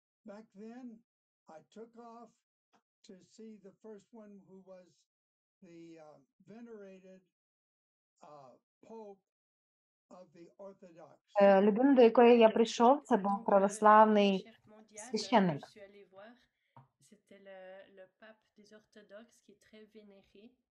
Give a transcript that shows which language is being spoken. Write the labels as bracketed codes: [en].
[en] Back then I took off to see the first one who was the venerated pope of the Orthodox. [uk] Людина, до якої я прийшов, це був православний священник. [fr] C'était le pape des orthodoxes qui est très vénéré.